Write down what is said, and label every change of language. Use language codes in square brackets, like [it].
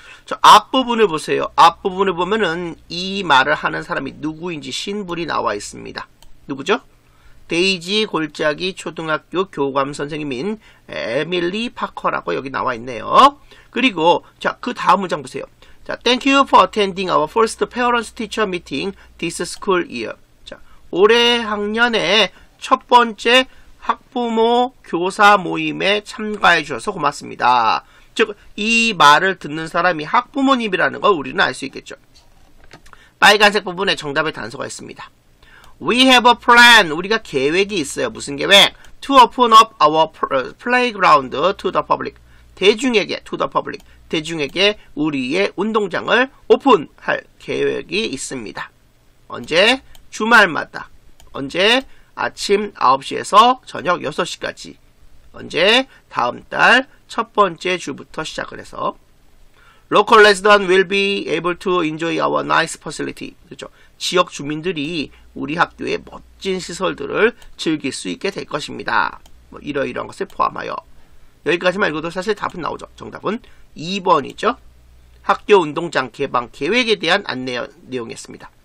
[ko] 저 앞부분을 보세요. 앞부분을 보면은 이 말을 하는 사람이 누구인지 신분이 나와 있습니다. 누구죠? 데이지 골짜기 초등학교 교감 선생님인 에밀리 파커라고 여기 나와 있네요. 그리고 자, 그 다음 문장 보세요. 자, [en] Thank you for attending our first parents teacher meeting this school year. [ko] 자, 올해 학년에 첫 번째 학부모 교사 모임에 참가해 주셔서 고맙습니다. 즉, 이 말을 듣는 사람이 학부모님이라는 걸 우리는 알 수 있겠죠. 빨간색 부분에 정답의 단서가 있습니다. [en] We have a plan. [ko] 우리가 계획이 있어요. 무슨 계획? [en] To open up our playground to the public. [ko] 대중에게, [en] to the public. [ko] 대중에게 우리의 운동장을 오픈할 계획이 있습니다. 언제? 주말마다. 언제? 아침 9시에서 저녁 6시까지. 언제? 다음 달 첫 번째 주부터 시작을 해서. [en] Local residents will be able to enjoy our nice facility. [ko] 그렇죠? 지역 주민들이 우리 학교의 멋진 시설들을 즐길 수 있게 될 것입니다. 뭐 이러이러한 것을 포함하여. 여기까지만 읽어도 사실 답은 나오죠. 정답은 2번이죠. 학교 운동장 개방 계획에 대한 안내 내용이었습니다.